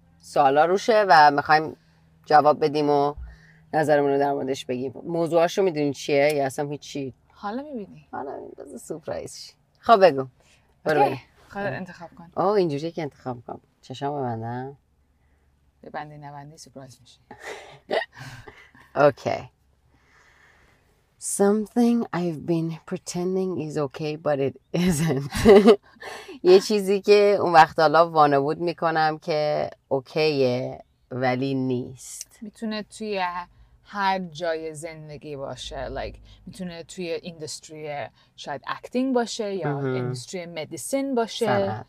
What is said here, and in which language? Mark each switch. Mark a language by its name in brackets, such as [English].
[Persian] سوالا روشه و میخوایم جواب بدیم و نظرمون رو در موردش بگیم. موضوعش رو میدونی چیه یا اصلا هیچی؟ حالا میبینی. حالا بذار سورپرایز شی. خب بگو. برو. خب انتخاب کن. اوه اینجوری که انتخاب کنم. چشم ببندم. ببندی نبندی سورپرایز میشی. اوکی. [English] Something I've been pretending is okay, but it isn't. [Persian] یه چیزی که اون وقت حالا وانمود میکنم که اوکیه ولی نیست. میتونه توی هر جای زندگی باشه. میتونه توی اندستری شاید اکتینگ باشه یا اندستری مدیسین باشه.